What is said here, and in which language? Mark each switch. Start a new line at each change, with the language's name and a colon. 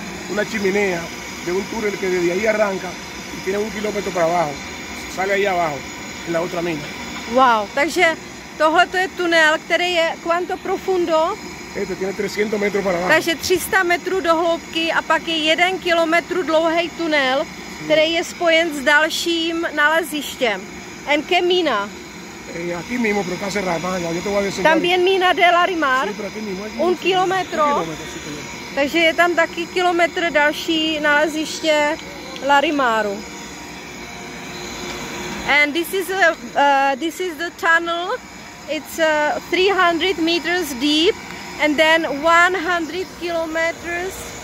Spanish: Una chimenea de un túnel que desde ahí arranca y tiene un kilómetro para abajo. Sale ahí abajo. La otra mina.
Czech: Wow, takže tohle to je tunel, který je
Spanish: cuánto profundo? Este tiene 300 metros para abajo.
Czech: Takže 300 metrů do hloubky a pak je 1 km dlouhý tunel, který je spojen s dalším nalezištěm.
Spanish: En qué mina? Aquí mismo, pero está cerrado, más allá. Yo te voy a decir. También mina de Larimar. Sí, pero aquí mismo, allí, un kilómetro.
Czech: Takže je tam taky kilometr další naleziště Larimaru.
English: And this is the tunnel. It's 300 meters deep, and then 100 kilometers.